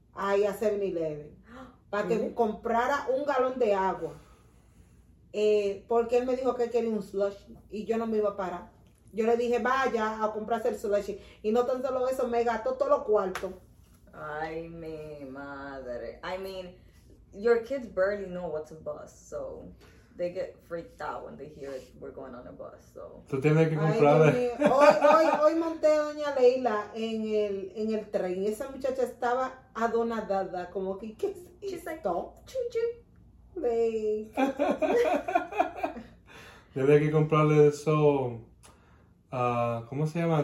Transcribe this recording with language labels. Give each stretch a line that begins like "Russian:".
Spanish: Ahí a 7-Eleven, para que comprara 1 galón de agua, porque él me dijo que quería un slush, y yo no me iba a parar. Yo le dije, vaya a comprarse el slush, y no tan solo eso, me gastó todo lo cuarto. Ay, mi madre.
English: I mean, your kids barely know what's a bus, so they get freaked out when they hear it, we're going on a bus, so.
Spanish: Tú tienes que comprar. Hoy monté a doña Leila en el tren. Esa muchacha estaba adonadada, como que, ¿qué es
English: esto? She's like, chuchu.
Spanish: Tienes que comprarle eso, ¿cómo se llama?